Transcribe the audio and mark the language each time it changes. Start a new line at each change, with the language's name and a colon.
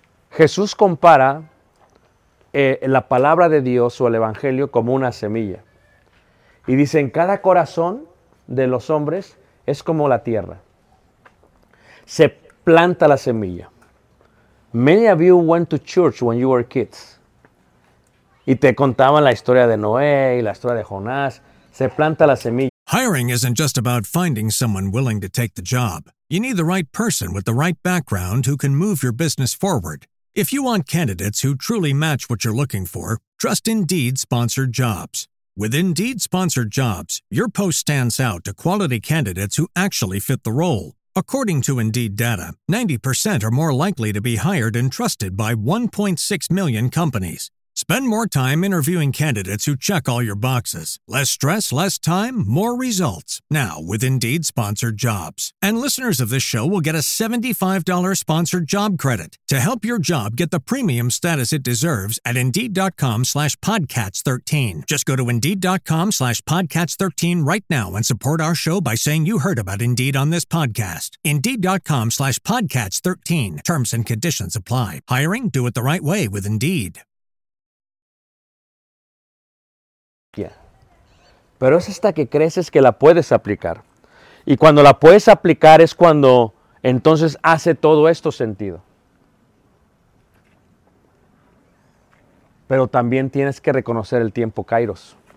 Spanish: Jesús compara la palabra de Dios o el Evangelio como una semilla. Y dice, en cada corazón de los hombres es como la tierra. Se planta la semilla.
English: Many of you went to church when you were kids.
Spanish: Y te contaban la historia de Noé y la historia de Jonás. Se planta la semilla.
English: Hiring isn't just about finding someone willing to take the job. You need the right person with the right background who can move your business forward. If you want candidates who truly match what you're looking for, trust Indeed Sponsored Jobs. With Indeed Sponsored Jobs, your post stands out to quality candidates who actually fit the role. According to Indeed data, 90% are more likely to be hired and trusted by 1.6 million companies. Spend more time interviewing candidates who check all your boxes. Less stress, less time, more results. Now, with Indeed Sponsored Jobs. And listeners of this show will get a $75 sponsored job credit to help your job get the premium status it deserves at Indeed.com/podcast13. Just go to Indeed.com/podcast13 right now and support our show by saying you heard about Indeed on this podcast. Indeed.com/podcast13. Terms and conditions apply. Hiring? Do it the right way with Indeed.
Spanish: Pero es esta que creces que la puedes aplicar. Y cuando la puedes aplicar es cuando entonces hace todo esto sentido. Pero también tienes que reconocer el tiempo, Kairos.